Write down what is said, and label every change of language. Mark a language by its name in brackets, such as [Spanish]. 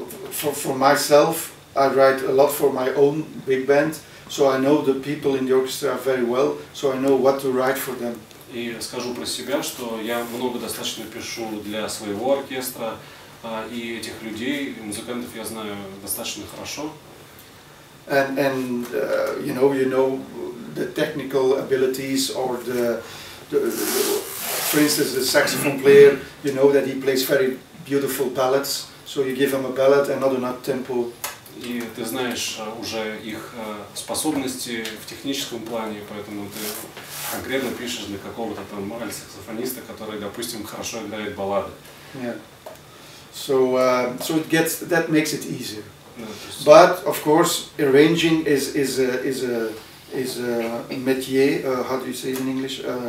[English] For myself, I write a lot for my own big band, so I know the people in the orchestra very well, so I know what to write for them. [Russian] И скажу про себя, что я много достаточно пишу для своего оркестра, и этих людей, и музыкантов я знаю достаточно хорошо. [English] And you know the technical abilities or the for instance the saxophone player, you know that he plays very beautiful ballads, so you give him a ballad and not an up tempo. [Russian] И ты знаешь уже их способности в техническом плане, поэтому ты конкретно пишешь для какого-то там альтсаксофониста, который, допустим, хорошо играет баллады. [English] So it gets, that makes it easier. But of course, arranging is a métier. How do you say it in English?